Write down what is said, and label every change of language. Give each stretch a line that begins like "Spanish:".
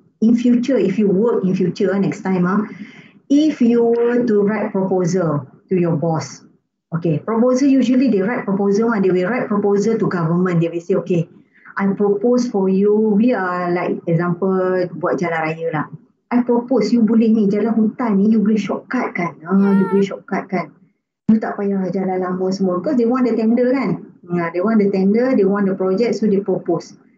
English: In future, if you work in future, next time, if you were to write proposal to your boss, okay, proposal, usually they write proposal and they will write proposal to government. They will say, okay, I propose for you, we are like example
Malay: buat jalan raya lah.
English: I propose you
Malay: boleh ni jalan hutan ni, you boleh shortcut kan. You boleh shortcut kan. You tak payah jalan lama semua.
English: Because they want the tender kan. They want the tender, they want the project, so they propose.